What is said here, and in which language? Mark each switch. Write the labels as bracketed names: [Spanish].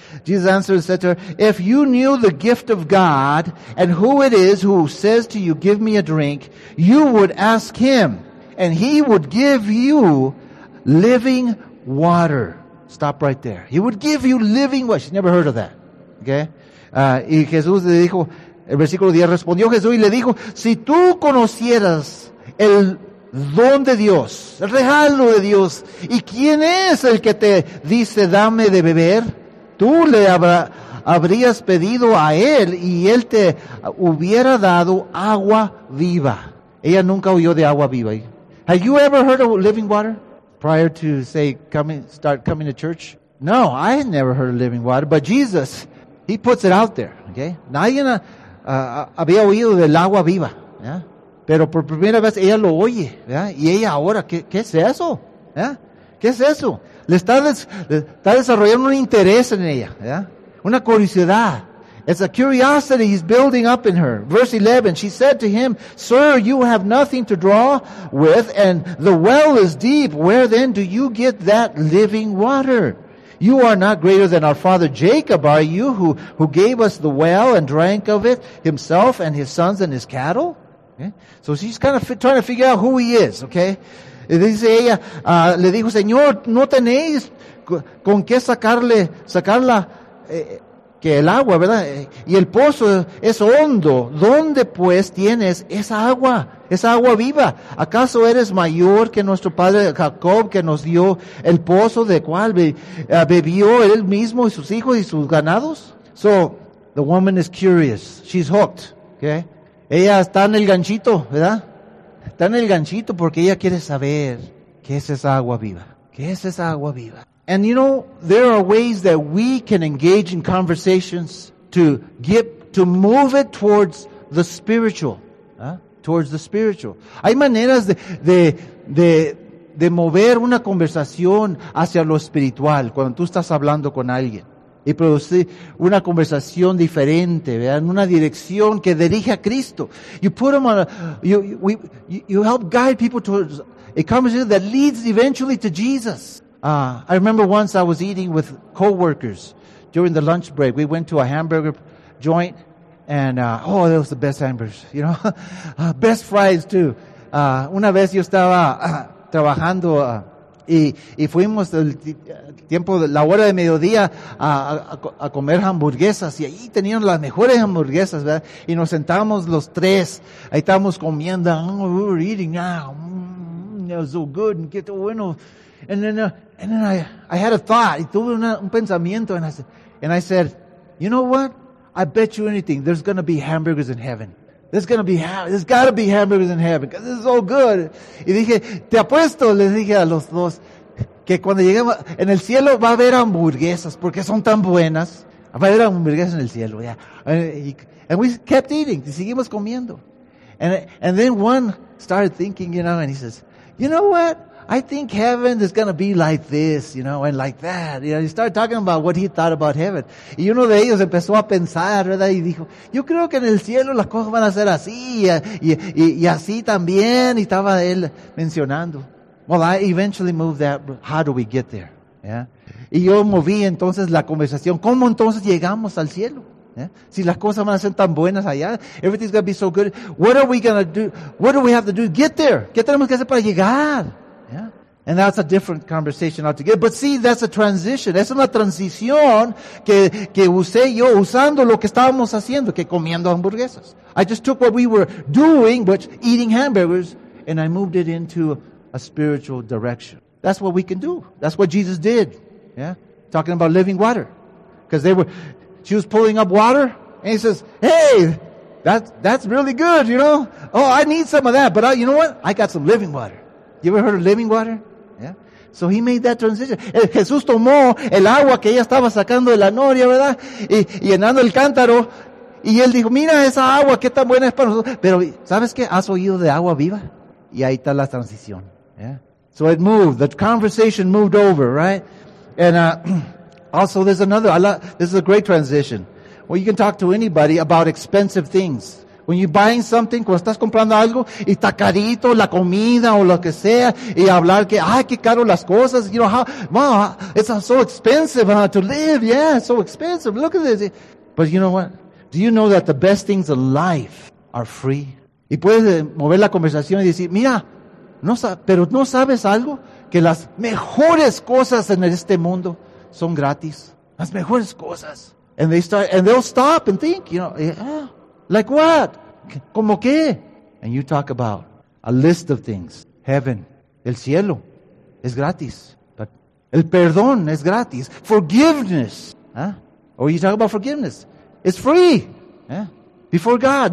[English] Jesus answered and said to her, if you knew the gift of God and who it is who says to you, give me a drink, you would ask him and he would give you living water. Stop right there. He would give you living water. She's never heard of that. Okay? [Spanish] Y Jesús le dijo, el versículo 10, respondió Jesús y le dijo, si tú conocieras el don de Dios, el regalo de Dios, y quién es el que te dice, dame de beber, tú le habrías pedido a él y él te hubiera dado agua viva. Ella nunca oyó de agua viva. [English] Have you ever heard of living water? Prior to, say, start coming to church? No, I had never heard of living water, but Jesus, he puts it out there, okay? [Spanish] Nadie había oído del agua viva, yeah? Pero por primera vez ella lo oye, yeah? Y ella ahora, ¿qué es eso? Yeah? ¿Qué es eso? Le está desarrollando un interés en ella, yeah? Una curiosidad. [English] It's a curiosity he's building up in her. Verse 11, she said to him, sir, you have nothing to draw with, and the well is deep. Where then do you get that living water? You are not greater than our father Jacob, are you, who gave us the well and drank of it himself and his sons and his cattle? Okay. So she's kind of trying to figure out who he is, okay? [Spanish] Dice ella, le dijo, señor, ¿no tenéis con qué sacarla? Que el agua, ¿verdad? Y el pozo es hondo. ¿Dónde pues tienes esa agua viva? ¿Acaso eres mayor que nuestro padre Jacob, que nos dio el pozo de cual bebió él mismo y sus hijos y sus ganados? [English] So, the woman is curious. She's hooked. Okay. [Spanish] Ella está en el ganchito, ¿verdad? Está en el ganchito porque ella quiere saber qué es esa agua viva. ¿Qué es esa agua viva? [English] And you know, there are ways that we can engage in conversations to move it towards the spiritual. Towards the spiritual. [Spanish] Hay maneras de mover una conversación hacia lo espiritual cuando tú estás hablando con alguien. y producir una conversación diferente, ¿verdad? En una dirección que dirige a Cristo. [English] You put them on a, you help guide people towards a conversation that leads eventually to Jesus. I remember once I was eating with coworkers during the lunch break. We went to a hamburger joint, and that was the best hamburgers, you know, best fries too. [Spanish] Una vez yo estaba trabajando y fuimos el tiempo de la hora de mediodía a comer hamburguesas, y ahí tenían las mejores hamburguesas, ¿verdad? Y nos sentamos los tres, ahí estábamos comiendo, [English] we're eating now, it was so good, and [Spanish] qué bueno. [English] And then I had a thought, [Spanish] y tuve un pensamiento, [English] and I said, you know what? I bet you anything, there's going to be hamburgers in heaven. There's got to be hamburgers in heaven, because it's so good. [Spanish] Y dije, te apuesto, les dije a los dos, que cuando lleguemos, en el cielo va a haber hamburguesas, porque son tan buenas. Va a haber hamburguesas en el cielo, yeah. [English] And we kept eating, [Spanish] y seguimos comiendo. [English] And then one started thinking, you know, and he says, you know what? I think heaven is going to be like this, you know, and like that. You know, he started talking about what he thought about heaven. [Spanish] Y uno de ellos empezó a pensar, ¿verdad? Y dijo, yo creo que en el cielo las cosas van a ser así, y así también. Y estaba él mencionando. [English] Well, I eventually moved that, how do we get there? Yeah. [Spanish] Y yo moví entonces la conversación, ¿cómo entonces llegamos al cielo? [English] Yeah. [Spanish] Si las cosas van a ser tan buenas allá, [English] everything's going to be so good. What are we going to do? What do we have to do? Get there. [Spanish] ¿Qué tenemos que hacer para llegar? [English] And that's a different conversation altogether. But see, that's a transition. [Spanish] Es una transición que usé yo usando lo que estábamos haciendo, que comiendo hamburguesas. [English] I just took what we were doing, which eating hamburgers, and I moved it into a spiritual direction. That's what we can do. That's what Jesus did. Yeah, talking about living water. Because she was pulling up water, and he says, hey, that's really good, you know. Oh, I need some of that, but you know what? I got some living water. You ever heard of living water? Yeah. So he made that transition. [Spanish] Jesús tomó el agua que ella estaba sacando de la noria, ¿verdad? Y llenando el cántaro. Y él dijo, mira esa agua, qué tan buena es para nosotros. Pero, ¿sabes qué? ¿Has oído de agua viva? Y ahí está la transición. [English] Yeah. So it moved. The conversation moved over, right? And also there's another. This is a great transition. Well, you can talk to anybody about expensive things. When you're buying something, [Spanish] cuando estás comprando algo, y está carito, la comida, o lo que sea, y hablar que, ay, qué caro las cosas, [English] you know, it's so expensive to live, yeah, it's so expensive, look at this. But you know what? Do you know that the best things in life are free? [Spanish] Y puedes mover la conversación y decir, mira, no sabes algo? Que las mejores cosas en este mundo son gratis. Las mejores cosas. [English] And they'll stop and think, you know, yeah. Like what? [Spanish] ¿Cómo qué? [English] And you talk about a list of things. [Spanish] Heaven, el cielo, es gratis. But el perdón es gratis. [English] Forgiveness. Huh? Or you talk about forgiveness. It's free. Yeah? Before God.